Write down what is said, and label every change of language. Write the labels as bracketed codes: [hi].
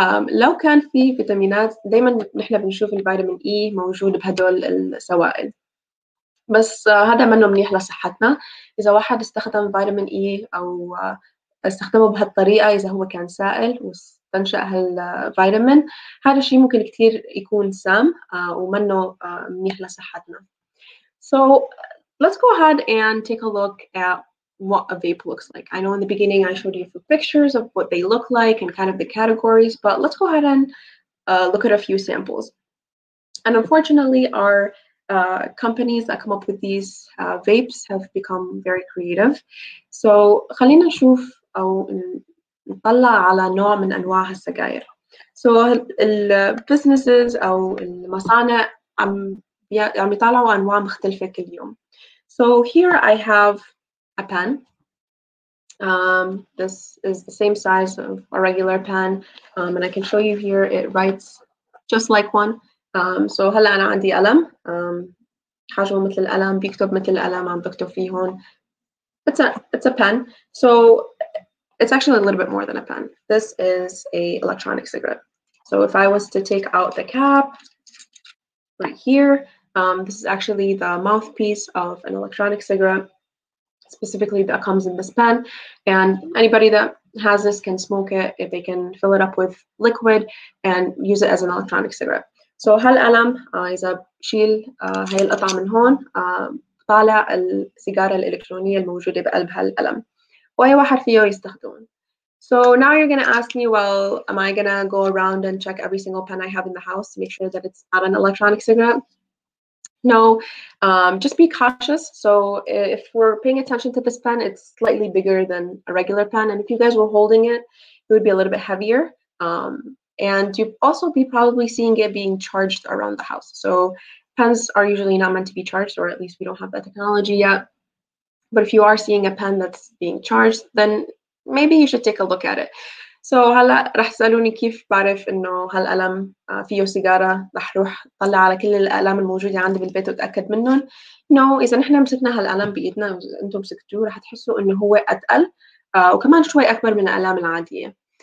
[ar] لو كان في فيتامينات دائما نحن بنشوف الفيتامين اي موجود بهدول السوائل بس هذا منه منيح لصحتنا اذا واحد استخدم فيتامين اي او استخدمه بهالطريقه اذا هو كان سائل واستنشا هالفيتامين هذا الشيء ممكن كثير يكون سام ومنه منيح لصحتنا. [en] So let's go ahead and take a look at what a vape looks like. I know in the beginning I showed you the pictures of what they look like and kind of the categories, but let's go ahead and look at a few samples. And unfortunately, our companies that come up with these vapes have become very creative. [ar] So خلينا نشوف أو نطلع على نوع من أنواع السجائر. So businesses أو المصانع عم يطلعوا أنواع مختلفة كل يوم. [en] So here I have a pen. This is the same size of a regular pen, and I can show you here it writes just like one. [ar] So هلا أنا عندي قلم. حاجة مثل القلم بيكتب مثل القلم عم بكتب فيه هون. [en] It's a pen. So it's actually a little bit more than a pen. This is a electronic cigarette. So if I was to take out the cap right here, this is actually the mouthpiece of an electronic cigarette. Specifically that comes in this pen, and anybody that has this can smoke it if they can fill it up with liquid and use it as an electronic cigarette. [ar] So هالقلم إذا بشيل هاي القطعة من هون طالع السيجارة الإلكترونية الموجودة بقلب هالقلم وأي واحد فيه يستخدمون. [en] So now you're gonna ask me, well, am I gonna go around and check every single pen I have in the house to make sure that it's not an electronic cigarette? No, just be cautious. So if we're paying attention to this pen, it's slightly bigger than a regular pen. And if you guys were holding it, it would be a little bit heavier. And you'd also be probably seeing it being charged around the house. So pens are usually not meant to be charged, or at least we don't have that technology yet. But if you are seeing a pen that's being charged, then maybe you should take a look at it. [ar] So هلا رح سألوني كيف بعرف إنه هالقلم فيه سيجارة رح روح طلع على كل الأقلام الموجودة عندي بالبيت وتأكد منهم. No, إذا نحن مسكنا هالقلم بإيدنا وأنتم مسكتوه رح تحسوا إنه هو أتقل وكمان شوي أكبر من الأقلام العادية.